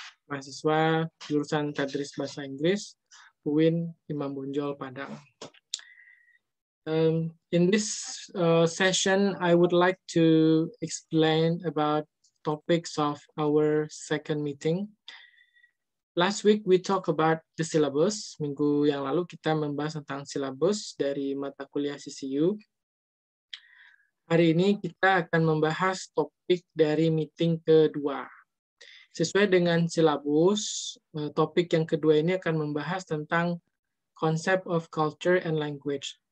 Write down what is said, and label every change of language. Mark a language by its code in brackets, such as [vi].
[id] Mahasiswa jurusan Tadris Bahasa Inggris, UIN Imam Bonjol, Padang. [en] In this session, I would like to explain about topics of our second meeting. Last week, we talked about the syllabus. [id] Minggu yang lalu, kita membahas tentang syllabus dari mata kuliah CCU. Hari ini, kita akan membahas topik dari meeting kedua. Sesuai dengan syllabus, topik yang kedua ini akan membahas tentang concept of culture and language.